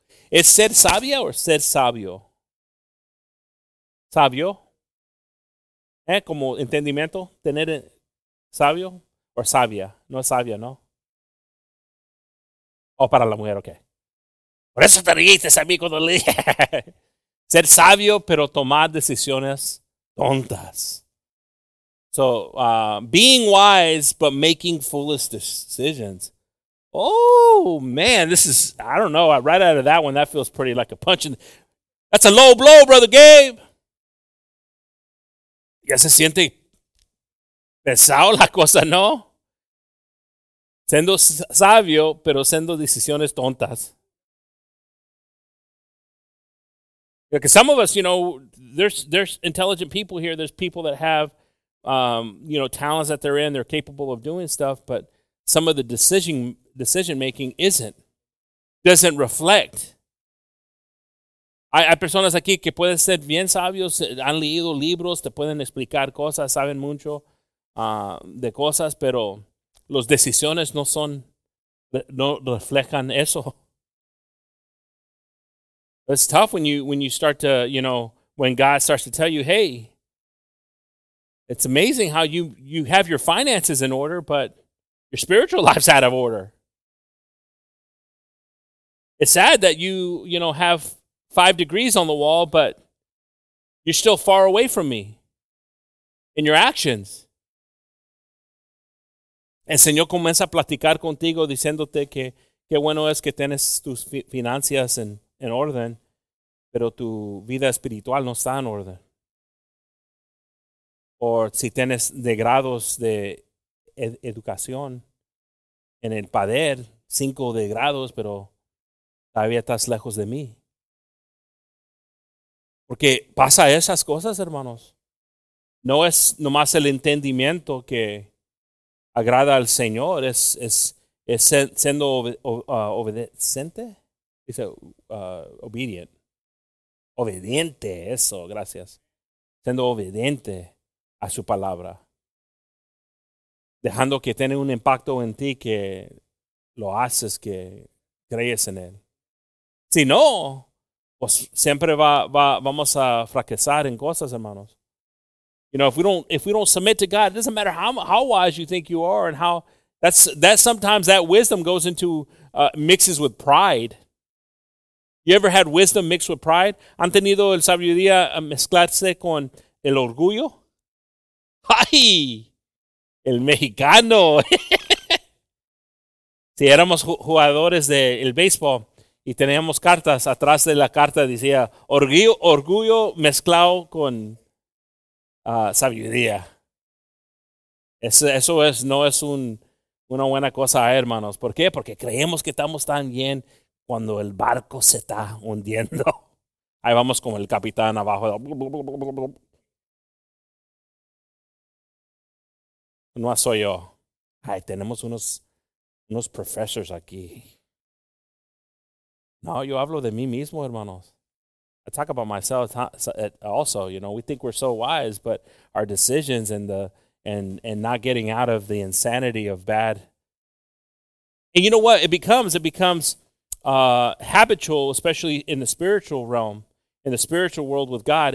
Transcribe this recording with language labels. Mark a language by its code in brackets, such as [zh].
[es] ¿Es ser sabia o ser sabio? ¿Sabio? ¿Como entendimiento? ¿Tener sabio o sabia? No es sabia, ¿no? O para la mujer, ok. Por eso te ríes a mí cuando le dije. Ser sabio, pero tomar decisiones tontas. [en] So, being wise, but making foolish decisions. Oh, man, this is, I don't know. Right out of that one, that feels pretty like a punch. That's a low blow, Brother Gabe. [es] Ya se siente pesado la cosa, ¿no? Siendo sabio, pero siendo decisiones tontas. [en] Because some of us, you know, there's intelligent people here. There's people that have, talents that they're in. They're capable of doing stuff. But some of the decision making doesn't reflect. [es] Hay personas aquí que pueden ser bien sabios. Han leído libros. Te pueden explicar cosas. Saben mucho de cosas. Pero las decisiones no reflejan eso. [en] It's tough when you start to, you know, when God starts to tell you, hey, it's amazing how you have your finances in order, but your spiritual life's out of order. It's sad that you have 5 degrees on the wall, but you're still far away from me in your actions. [es] El Señor comienza a platicar contigo diciéndote que qué bueno es que tienes tus finanzas en orden. Pero tu vida espiritual no está en orden. O si tienes de grados de educación en el poder, 5 de grados, pero todavía estás lejos de mí. Porque pasa esas cosas, hermanos. No es nomás el entendimiento que agrada al Señor, es siendo obediente. Dice obedient. Obediente, eso, gracias. Siendo obediente a su palabra. Dejando que tenga un impacto en ti que lo haces, que crees en él. Si no, pues siempre vamos a fracasar en cosas, hermanos. [en] You know, if we don't submit to God, it doesn't matter how wise you think you are and how, that's sometimes that wisdom goes into, mixes with pride. You ever had wisdom mixed with pride? [es] ¿Han tenido el sabiduría mezclarse con el orgullo? ¡Ay! El mexicano. Si éramos jugadores del béisbol y teníamos cartas, atrás de la carta decía orgullo mezclado con sabiduría. Eso no es una buena cosa, hermanos. ¿Por qué? Porque creemos que estamos tan bien. Cuando el barco se está hundiendo. Ahí vamos con el capitán abajo. No soy yo. Ay, tenemos unos profesores aquí. No, yo hablo de mí mismo, hermanos. [en] I talk about myself also, you know, we think we're so wise, but our decisions and not getting out of the insanity of bad. And you know what? It becomes habitual, especially in the spiritual realm, in the spiritual world with God.